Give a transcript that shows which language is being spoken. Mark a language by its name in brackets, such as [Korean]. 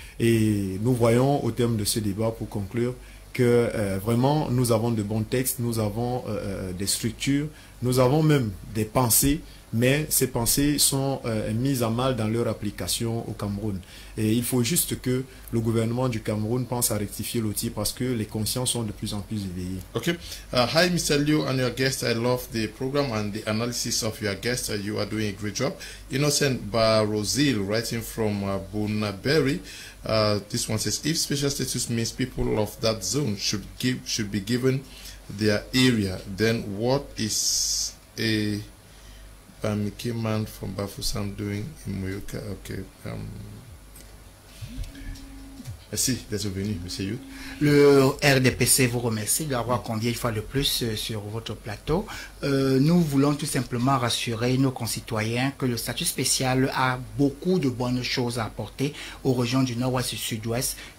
[French] Et nous voyons au terme de ce débat, pour conclure, que vraiment nous avons de bons textes, nous avons des structures, nous avons même des pensées, mais ces pensées sont mises à mal dans leur application au Cameroun. Et il faut juste que le gouvernement du Cameroun pense à rectifier l'outil parce que les consciences sont de plus en plus éveillées. [English] Ok. Hi, Mr. Liu and your guest. I love the program and the analysis of your guest. You are doing a great job. Innocent Barozil, writing from Bunaberry. This one says, if special status means people of that zone should be given their area, then what is a Bamike man from Bafoussam doing in Muyuka? Okay. [French] Merci d'être venu, Monsieur You. Le RDPC vous remercie d'avoir convié une fois de plus sur votre plateau. Nous voulons tout simplement rassurer nos concitoyens que le statut spécial a beaucoup de bonnes choses à apporter aux régions du Nord-Ouest et Sud-Ouest.